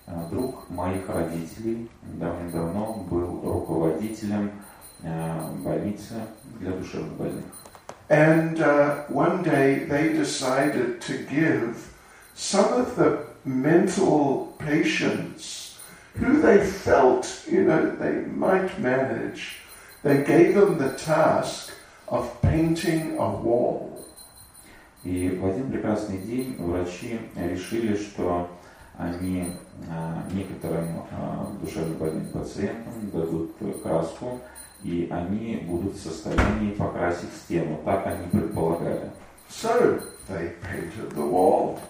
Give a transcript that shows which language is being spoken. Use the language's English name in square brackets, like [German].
[Russian] Друг моих родителей давным-давно был руководителем больницы для душевнобольных. [English] And one day they decided to give some of the mental patients who they felt, you know, they might manage, they gave them the task of painting a wall. [Russian] И в один прекрасный день врачи решили, что они некоторым душевнобольным пациентам дадут краску, и они будут в состоянии покрасить стену. Так они предполагали. [English] So they painted the wall.